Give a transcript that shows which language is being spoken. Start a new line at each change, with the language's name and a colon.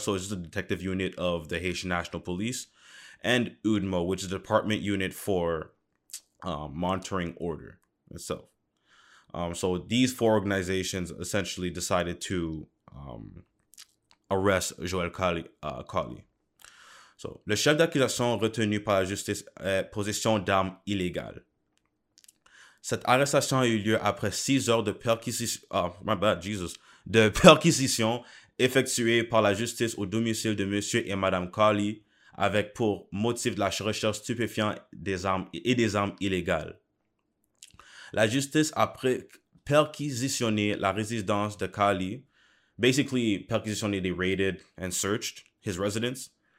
English: So it's just a detective unit of the Haitian National Police. And UDMO, which is the department unit for monitoring order itself. So these four organizations essentially decided to arrest Joël Khawly.
French: So, le chef d'accusation retenu par la justice est possession d'armes illégales. Cette arrestation a eu lieu après 6 heures de perquisition, de perquisition effectuée par la justice au domicile de Monsieur et Madame Khawly avec pour motif de la recherche stupéfiante des armes et des armes illégales. La justice a perquisitionné la résidence de Khawly.
English: Basically, perquisitionné, they raided and searched his residence.